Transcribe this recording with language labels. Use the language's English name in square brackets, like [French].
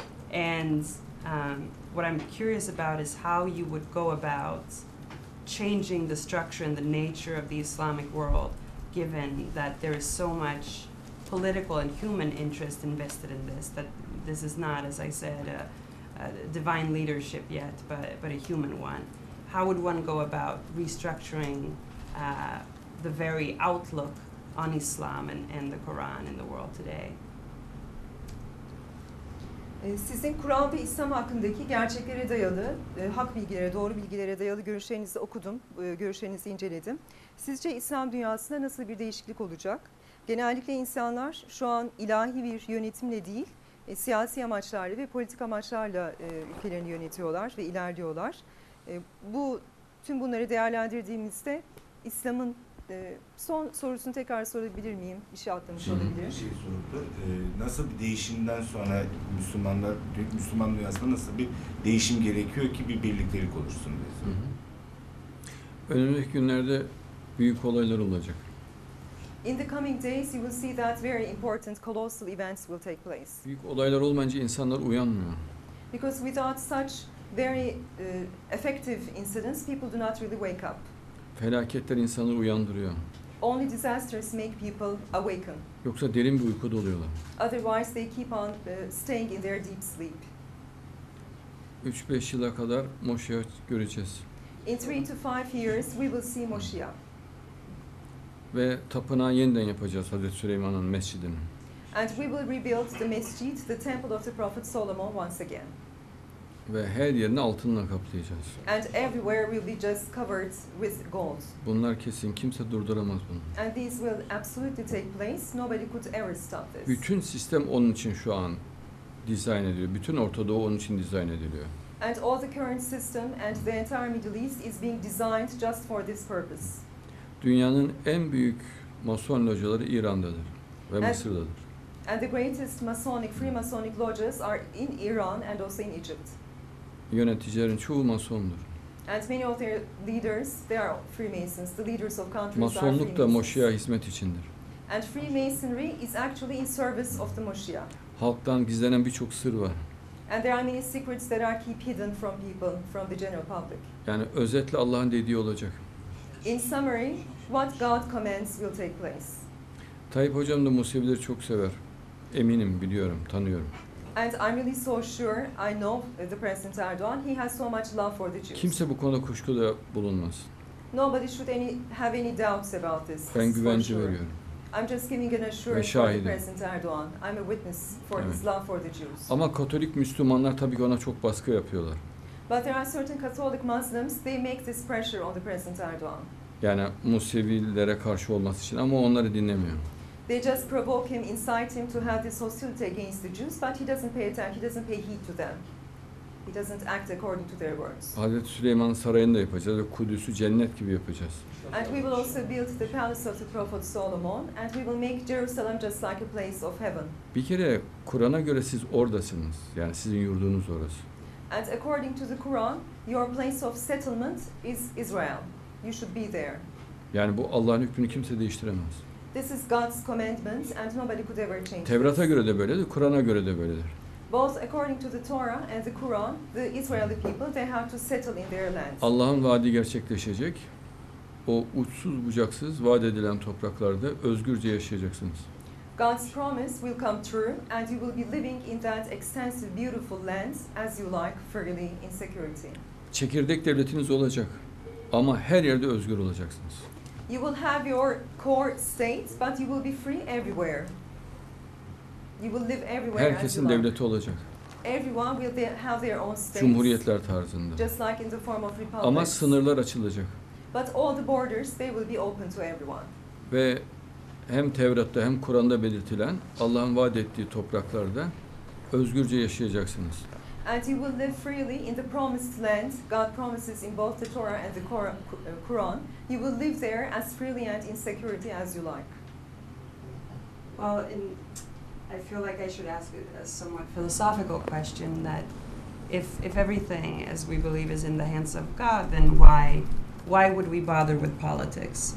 [English] And what I'm curious about is how you would go about changing the structure and the nature of the Islamic world, given that there is so much political and human interest invested in this, that this is not, as I said, a divine leadership yet, but a human one. How would one go about restructuring the very outlook on Islam and the Quran in the world today? [Turkish] Sizin Kur'an ve İslam hakkındaki gerçeklere dayalı, hak bilgilere, doğru bilgilere dayalı görüşlerinizi okudum, görüşlerinizi inceledim. Sizce İslam dünyasında nasıl bir değişiklik olacak? Genellikle insanlar şu an ilahi bir yönetimle değil, siyasi amaçlarla ve politik amaçlarla ülkelerini yönetiyorlar ve ilerliyorlar. Tüm bunları değerlendirdiğimizde İslam'ın son sorusunu tekrar sorabilir miyim? İşi atlamış olabilir. Bir şey sordu. Nasıl bir değişimden sonra Müslümanlar, Müslüman dünyasında nasıl bir değişim gerekiyor ki bir birliktelik oluşsun diye soruyor. Önümüzdeki günlerde büyük olaylar olacak. [English] In the coming days, you will see that very important, colossal events will take place. [Turkish] Büyük olaylar olmayınca insanlar uyanmıyor. [English] Because without such very effective incidents, people do not really wake up. [Turkish] Felaketler insanları uyandırıyor. [English] Only disasters make people awaken. [Turkish] Yoksa derin bir uykuda oluyorlar. [English] Otherwise, they keep on staying in their deep sleep. [Turkish] 3-5 yıla kadar Moşiyah göreceğiz. [English] In 3 to 5 years, we will see Moshiach. [Turkish] Ve tapınağı yeniden yapacağız Hazreti Süleyman'ın mescidini. [English] And we will rebuild the masjid, the temple of the Prophet Solomon once again. [Turkish] Ve her yerini altınla kaplayacağız. [English] And everywhere will be just covered with gold. [Turkish] Bunlar kesin, kimse durduramaz bunu. [English] And this will absolutely take place. Nobody could ever stop this. [Turkish] Bütün sistem onun için şu an dizayn ediliyor. Bütün Orta Doğu onun için dizayn ediliyor. [English] And all the current system and the entire Middle East is being designed just for this purpose. [Turkish] Dünyanın en büyük Mason locaları İran'dadır ve Mısır'dadır. [English] And the greatest Masonic, Freemasonic lodges are in Iran and also in Egypt. [Turkish] Yöneticilerin çoğu Masondur. [English] And many of their leaders, they are Freemasons, the leaders of countries. [Turkish] Masonluk da Moşia hizmet içindir. [English] And Freemasonry is actually in service of the Moşia. [Turkish] Halktan gizlenen birçok sır var. [English] And there are many secrets that are kept hidden from people, from the general public. [Turkish] Yani özetle Allah'ın dediği olacak. [English] In summary, what God commands will take place. [Turkish] Tayyip hocam da Musevileri çok sever. Eminim, biliyorum, tanıyorum. [English] And I'm really so sure, I know the President Erdogan, he has so much love for the Jews. [Turkish] Kimse bu konuda kuşkuda bulunmaz. [English] Nobody should any have any doubts about this. [Turkish] Ben güvence veriyorum. [English] I'm just giving an assurance to the President Erdogan. I'm a witness for his love for the Jews. [Turkish] Ama Katolik Müslümanlar tabii ki ona çok baskı yapıyorlar. [English] But there are certain Catholic Muslims, they make this pressure on the President Erdogan. [Turkish] Yani Musevilere karşı olması için, ama onları dinlemiyor. [English] They just provoke him, incite him to have this hostility against the Jews, but he doesn't pay attention, he doesn't pay heed to them. He doesn't act according to their words. [Turkish] Hazreti Süleyman'ın sarayını da yapacağız ve Kudüs'ü cennet gibi yapacağız. [English] And we will also build the palace of the Prophet Solomon, and we will make Jerusalem just like a place of heaven. [Turkish] Bir kere Kur'an'a göre siz oradasınız, yani sizin yurdunuz orası. [English] And according to the Quran, your place of settlement is Israel. You should be there. [Turkish] Yani bu Allah'ın hükmünü kimse değiştiremez. [English] This is God's commandment and nobody could ever change. [Turkish] Tevrat'a göre de böyledir, Kur'an'a göre de böyledir. [English] Both according to the Torah and the Quran, the Israeli people, they have to settle in their land. [Turkish] Allah'ın vaadi gerçekleşecek. O uçsuz bucaksız vaat edilen topraklarda özgürce yaşayacaksınız. [English] God's promise will come true and you will be living in that extensive beautiful land as you like, freely in security. [Turkish] Çekirdek devletiniz olacak ama her yerde özgür olacaksınız. [English] You will have your core state but you will be free everywhere. You will live everywhere. [Turkish] Herkesin devleti olacak. [English] Everyone will have their own state. [Turkish] Cumhuriyetler tarzında. [English] Just like in the form of republics. [Turkish] Ama sınırlar açılacak. [English] But all the borders they will be open to everyone. [Turkish] Ve hem Tevrat'ta hem Kur'an'da belirtilen Allah'ın vaat ettiği topraklarda özgürce yaşayacaksınız. [English] And you will live freely in the promised land. God promises in both the Torah and the Quran. You will live there as freely and in security as you like. Well, in, I feel like I should ask a somewhat philosophical question that if everything, as we believe, is in the hands of God, then why would we bother with politics?